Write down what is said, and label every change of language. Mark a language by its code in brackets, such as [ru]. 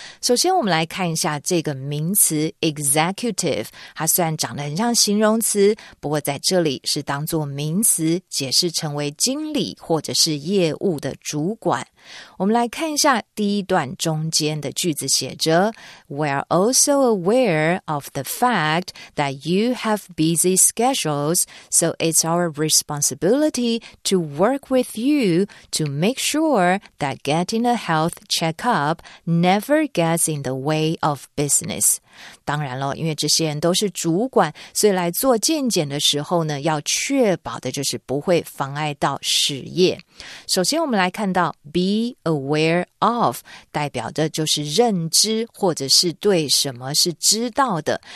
[zh] 首先我们来看一下这个名词 Executive， 它虽然长得很像形容词，不过在这里是当作名词，解释成为经理或者是业务的主管。我们来看一下第一段中间的句子，写着 [en] We are also aware of the fact that you have busy schedules, so it's our responsibility to work with you to make sure that getting a health checkup never gets in the way of business. [zh] 当然了，因为这些人都是主管，所以来做健检的时候呢，要确保的就是不会妨碍到事业。首先我们来看到 [en] be aware of， [zh] 代表的就是认知或者是对什么是知道的。